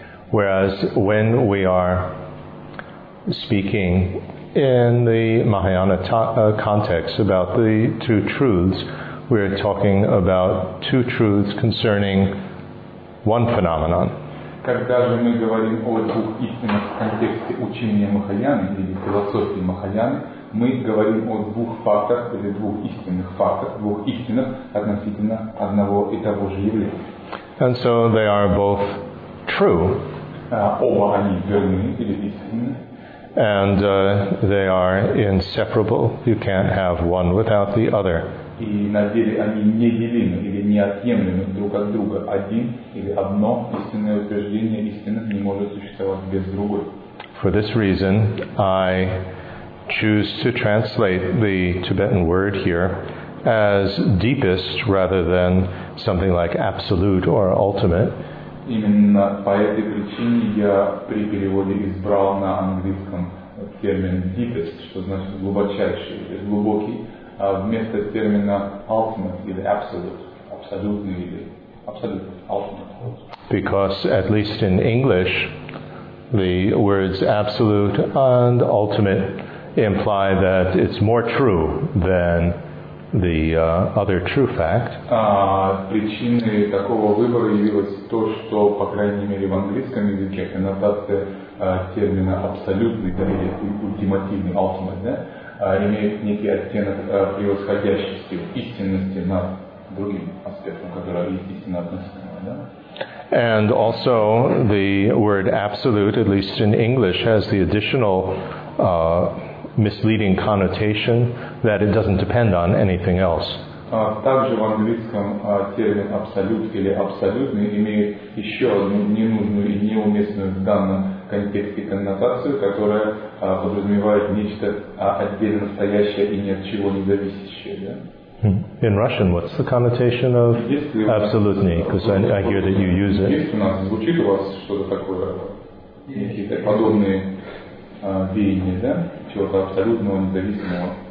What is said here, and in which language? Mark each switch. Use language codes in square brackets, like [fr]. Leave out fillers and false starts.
[en] Whereas when we are speaking in the Mahayana context about the two truths, we are talking about two truths concerning one phenomenon. [ru] Когда же мы говорим о двух истинах в контексте учения Махаяны или философии Махаяны, мы говорим о двух фактах или двух истинных фактах, двух истинах относительно одного и того же явления. [en] And so they are both true. [ru] Оба они верны или истинны. [en] And they are inseparable. You can't have one without the other. [ru] И на деле они неделимы или неотъемлемы друг от друга. Один или одно истинное утверждение истины не может существовать без другой. [en] For this reason, I choose to translate the Tibetan word here as deepest rather than something like absolute or ultimate. [ru] Именно по этой причине я при переводе избрал на английском термин deepest, что значит глубочайший или глубокий. Вместо термина ultimate или absolute, абсолютный или absolute, ultimate. [en] Because at least in English, the words absolute and ultimate imply that it's more true than the other true fact. [ru] Причиной такого выбора явилось то, что, по крайней мере, в английском языке коннотация термина абсолютный, да, или ультимативный, ultimate, да? Имеет некий оттенок превосходящести, истинности над другим аспектом, который есть истинно относительно, да? [en] And also the word absolute, at least in English, has the additional misleading connotation that it doesn't depend on anything else. [ru] Также в английском термин абсолют или абсолютный имеет еще одну ненужную и неуместную в данном контексте коннотацию, которая подразумевает нечто отдельно стоящее и ни от чего не зависящее. Да? [en] In Russian, what's the connotation of absolutely? Because I hear that you use it. [ru] Есть у нас, звучит у вас что-то такое, какие-то подобные веяния, да? Чего-то абсолютного, независимого.